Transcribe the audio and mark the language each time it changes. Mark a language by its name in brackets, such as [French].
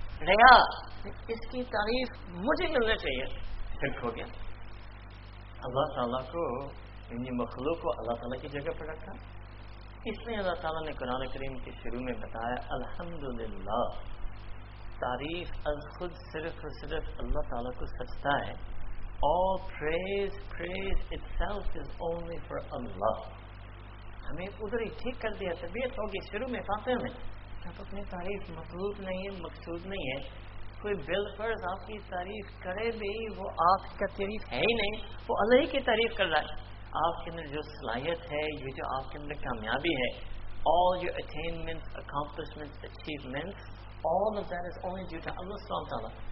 [Urdu] ریا اس کی تعریف مجھے ملنا چاہیے, شرک ہو گیا. اللہ تعالیٰ کو یعنی مخلوق کو اللہ تعالیٰ کی جگہ پر رکھا, اس لیے اللہ تعالیٰ نے قرآن کریم کے شروع میں بتایا الحمدللہ تعریف از خود صرف اور صرف اللہ تعالیٰ کو سچتا ہے. [English] All praise itself is only for Allah. [Urdu] ہمیں ادھر ہی ٹھیک کر دیا, طبیعت ہوگی شروع میں فاتح میں, آپ اپنی تعریف مطلوب نہیں ہے, مقصود نہیں ہے, کوئی بل فرض آپ کی تعریف کرے بھی وہ آپ کا تعریف ہے ہی نہیں, وہ اللہ ہی کی تعریف کر رہا ہے. آپ کے اندر جو صلاحیت ہے, یہ جو آپ کے اندر کامیابی ہے, [English] all your attainments, accomplishments, achievements, all of that is only due to Allah سبحانہ وتعالیٰ.